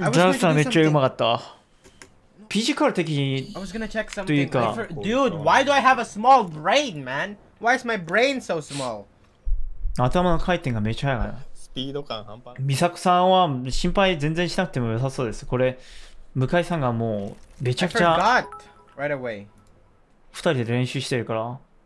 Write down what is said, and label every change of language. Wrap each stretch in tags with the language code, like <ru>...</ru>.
<ja>ダウさんめっちゃうまかった。フィジカル的にというか、</ja> <en>Dude, why do I have a small brain, man? Why is my brain so small?</en> <ja>頭の回転がめっちゃ速い。スピード感半端。ミサクさんは心配全然しなくても良さそうです。これ向井さんがもうめちゃくちゃ。</ja> <en>I forgot right away.</en> <ja>二人で練習してるから。</ja>